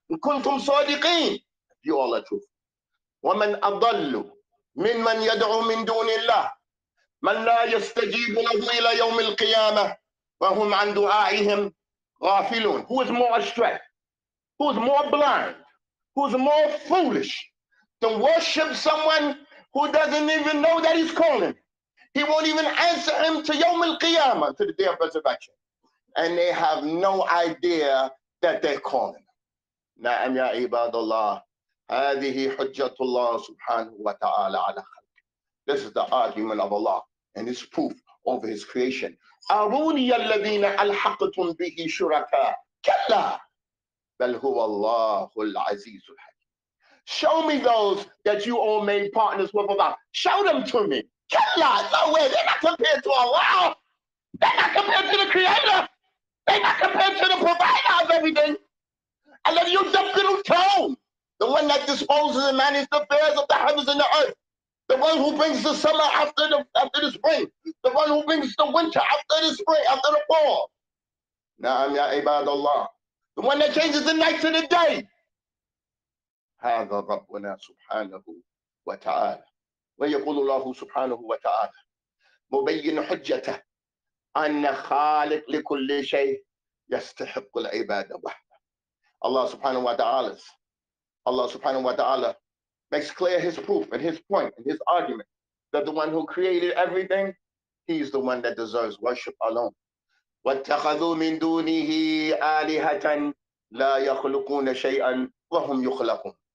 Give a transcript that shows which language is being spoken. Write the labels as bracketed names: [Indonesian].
[Arabic] إن كنتم صادقين. [English] You all are truthful. [Arabic] وَمَنْ أَضَلُّ مِنْ مَنْ يَدْعُو مِنْ دُونِ اللَّهِ مَنْ لَا يَسْتَجِيبُ لَهُ إِلَى يَوْمِ الْقِيَامَةِ وَهُمْ عَنْ دُعَائِهِمْ غَافِلُونَ. [English] Who is more astray? Who is more blind? Who is more foolish to worship someone who doesn't even know that he's calling? He won't even answer him to يَوْمِ الْقِيَامَةِ, to the day of resurrection. And they have no idea that they're calling. [Arabic] نعم يا عباد الله هذه حجة الله سبحانه وتعالى على خلقه. [English] This is the argument of Allah and his proof of his creation. [Arabic] أروني الذين ألحقتم به شركاء. كلا بل هو الله العزيز الحكيم. [English] Show me those that you all made partners with Allah. Show them to me. [Arabic] كلا. [English] No way. They're not compared to Allah. They're not compared to the creator. They're not compared to the provider of everything. And then you jump in town, the one that disposes and manages the affairs of the heavens and the earth, the one who brings the summer after the spring, the one who brings the winter after the spring, after the fall. [Arabic] Na'am ya ibad Allah, [English] the one that changes the night to the day. [Arabic] هذا ربنا سبحانه وتعالى. ويقول الله سبحانه وتعالى مبين حجته أن خالق لكل شيء يستحق العبادة. [English] Allah subhanahu wa ta'ala, Allah subhanahu wa ta'ala makes clear his proof and his point and his argument that the one who created everything, he's the one that deserves worship alone. [Arabic] وَاتَّخَذُوا مِن دُونِهِ آلِهَةً لَا يَخْلُقُونَ شَيْئًا وَهُمْ يُخْلَقُونَ.